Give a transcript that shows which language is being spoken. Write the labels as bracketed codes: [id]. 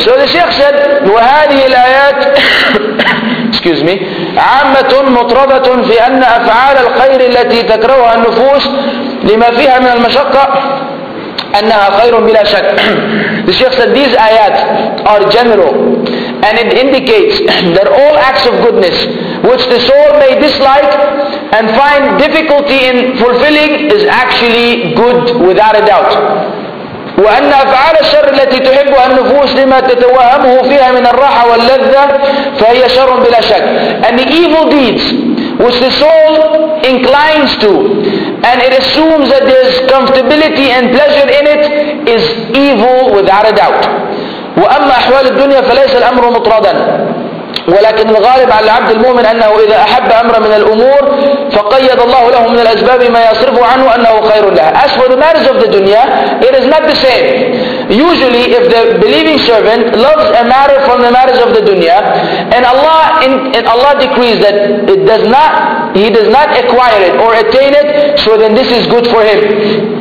[en] So the Sheikh said, [ar] وهذه الآيات [en] excuse me, [ar] عامة مطربة في أن أفعال الخير التي تكرهها النفوس لما فيها من المشقة أنها خير بلا شك. [en] The Sheikh said these ayat are general and it indicates that all acts of goodness which the soul may dislike and find difficulty in fulfilling is actually good without a doubt. [ar] وأن أفعال الشر التي تحبها النفوس لما تتوهمه فيها من الراحة واللذة فهي شر بلا شك. [en] And the evil deeds which the soul inclines to and it assumes that there's comfortability and pleasure in it is evil without a doubt. [ar] وأما أحوال الدنيا فليس الأمر مطردا ولكن الغالب على العبد المؤمن أنه إذا أحب أمر من الأمور فقيد الله له من الأسباب ما يصرف عنه أنه خير له. [en] As for the matters of the dunya, it is not the same. Usually if the believing servant loves a matter from the matters of the dunya and Allah decrees that he does not acquire it or attain it, so then this is good for him.